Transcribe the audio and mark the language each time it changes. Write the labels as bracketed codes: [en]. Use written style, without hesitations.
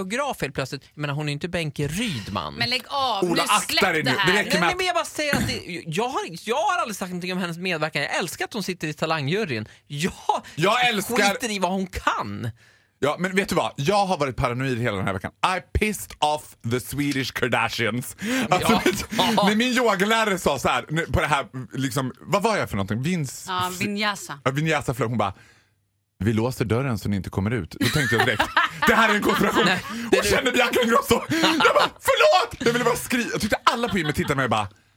[sv] koreograf helt plötsligt. Men hon är inte Bänke Rydman. Men lägg av, Ola, nu släpp det här. Det nej, men jag bara säger att jag har aldrig sagt någonting om hennes medverkan. Jag älskar att hon sitter i talangjuryn. Jag älskar... skiter i vad hon kan. Ja, men vet du vad? Jag har varit paranoid hela den här veckan. [en] I pissed off the Swedish Kardashians. [sv] Alltså, ja. När min yogalärare sa så här, på det här, liksom, vad var jag för någonting? Vinyasa. Hon bara, vi låser dörren så ni inte kommer ut. Då tänkte jag direkt, det här är en konspiration. Nej, och kände Bianca Ingrosso. Jag bara, förlåt! Jag ville bara skriva. Jag tyckte alla på gymmet tittade mig och bara...